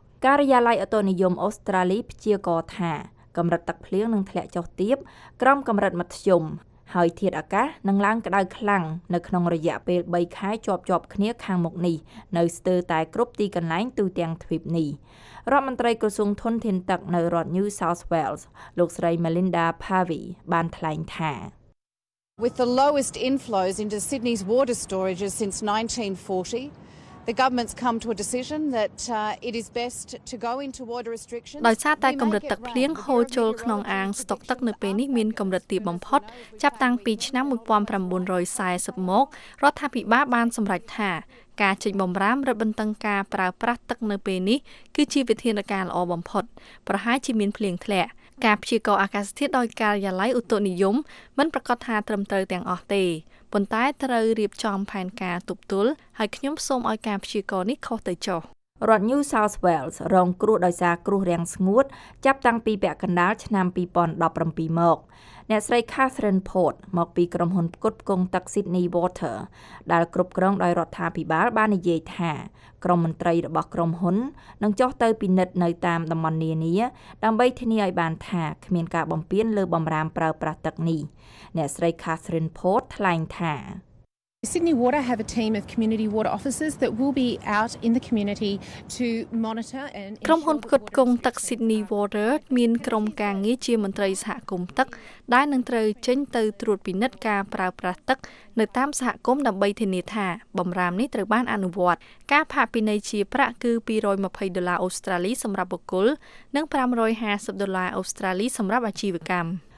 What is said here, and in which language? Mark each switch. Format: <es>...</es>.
<km>ការិយាល័យអតនិយមអូស្ត្រាលីព្យាករថាកម្រិតទឹកភ្លៀងនឹងធ្លាក់ចុះទាបក្រោមកម្រិតមធ្យមហើយធាតុអាកាសនឹងឡើងក្តៅខ្លាំងនៅក្នុងរយៈពេល3ខែជាប់គ្នាខាងមុខនេះនៅស្ទើរតែគ្រប់ទីកន្លែងទូទាំងទ្វីបនេះរដ្ឋមន្ត្រីក្រសួងធនធានទឹកនៅរដ្ឋ New South Wales លោកស្រី Melinda Pavey បានថ្លែងថា</km> <en>With the lowest inflows into Sydney's water storages since 1940The government's come to a decision that it is best to go into water restrictions.</en> <km>ដោយសារតែកម្រិតទឹកភ្លៀងហូរចូលក្នុងអាងស្តុកទឹកនៅពេលនេះមានកម្រិតទាបបំផុតចាប់តាំងពីឆ្នាំ1940មករដ្ឋាភិបាលបានសម្រេចថាការចេញបំរាមរឹតបន្តឹងការប្រើប្រាស់ទឹកនៅពេលនេះគឺជាវិធានការល្អបំផុតប្រហែលជាមានភ្លៀងធ្លាក់ការព្យាករណ៍អាកាសធាតុដោយការិយាល័យឧតុនិយមមិនប្រកាសថាត្រឹមត្រូវទាំងអស់ទេប៉ុន្តែត្រូវរៀបចំផែនការទប់ទល់ហើយខ្ញុំសូមឲ្យការព្យាករណ៍នេះខុសទៅចុះ រដ្ឋ New South Wales រងគ្រោះដោយសារគ្រោះរាំងស្ងួតចាប់តាំងពីពាក់កណ្ដាលឆ្នាំ2017មកអ្នកស្រី Catherine Port មកពីក្រុមហ៊ុនផ្គត់ផ្គង់ទឹក Sydney Water ដែលគ្រប់គ្រងដោយរដ្ឋាភិបាលបាននិយាយថាក្រុមមន្ត្រីរបស់ក្រុមហ៊ុននឹងចុះទៅពិនិត្យនៅតាមតំបន់នានាដើម្បីធានាឲ្យបានថាគ្មានការបំពានលើបំរាមប្រើប្រាស់ទឹកនេះអ្នកស្រី Catherine Port ថ្លែងថា</km> <en>Sydney Water have a team of community water officers that will be out in the community to monitor and</en> <km>ក្រុមហ៊ុនផ្គត់ផ្គង់ទឹក Sydney Water មានក្រុមការងារជាមន្ត្រីសហគមន៍ទឹកដែលនឹងត្រូវចេញទៅត្រួតពិនិត្យការប្រើប្រាស់ទឹកនៅតាមសហគមន៍ដើម្បីធានាថាបំរាមនេះត្រូវបានអនុវត្តការផាកពិន័យជាប្រាក់គឺ220ដុល្លារអូស្ត្រាលីសម្រាប់បុគ្គលនិង550ដុល្លារអូស្ត្រាលីសម្រាប់អាជីវកម្ម</km>